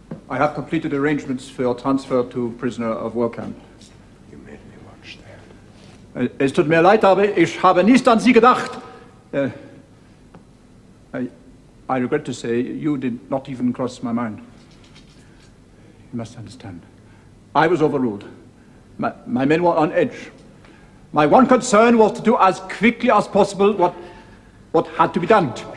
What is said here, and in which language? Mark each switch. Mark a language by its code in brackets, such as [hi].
[en] I have completed arrangements for your transfer to prisoner of war camp. You made me watch that. [de] Es tut mir leid, aber ich habe nicht an Sie gedacht. [en] I regret to say you did not even cross my mind. You must understand. I was overruled. My men were on edge. My one concern was to do as quickly as possible what had to be done.